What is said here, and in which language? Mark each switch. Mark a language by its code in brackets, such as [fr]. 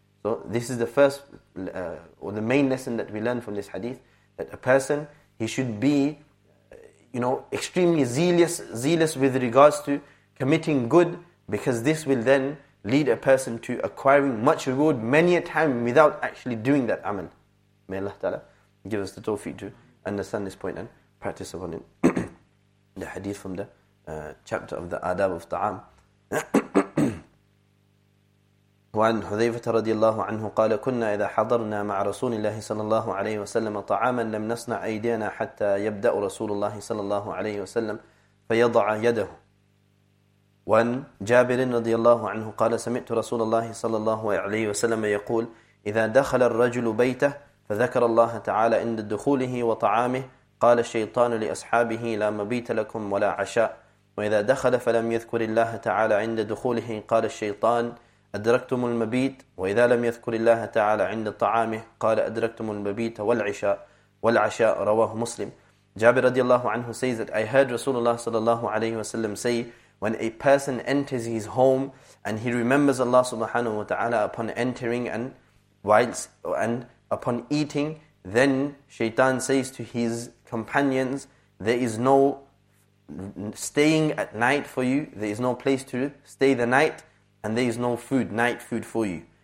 [en] So this is the first or the main lesson that we learn from this hadith, that a person, he should be, you know, extremely zealous with regards to committing good, because this will then lead a person to acquiring much reward many a time without actually doing that amal. May Allah ta'ala give us the tawfiq to understand this point and practice upon it. The hadith from the chapter of the Adab of Ta'am. [ar] وعن حذيفة رضي الله عنه قال كنا إذا حضرنا مع رسول الله صلى الله عليه وسلم طعاما لم نصنع أيدينا حتى يبدأ رسول الله صلى الله عليه وسلم فيضع يده. وعن جابر رضي الله عنه قال سمعت رسول الله صلى الله عليه وسلم يقول إذا دخل الرجل بيته فذكر الله تعالى عند دخوله وطعامه قال الشيطان لأصحابه لا مبيت لكم ولا عشاء. وإذا دخل فلم يذكر الله تعالى عند دخوله قال الشيطان أدركتم المبيت. وإذا لم يذكر الله تعالى عند طعامه قال أدركتم المبيت والعشاء والعشاء. رواه مسلم. [en] جابر رضي الله عنه says that I heard Rasulullah sallallahu alayhi wa sallam say, when a person enters his home and he remembers Allah subhanahu wa ta'ala upon entering and whilst and upon eating, then Shaitan says to his companions, there is no staying at night for you, there is no place to stay the night, and there is no food, night food for you.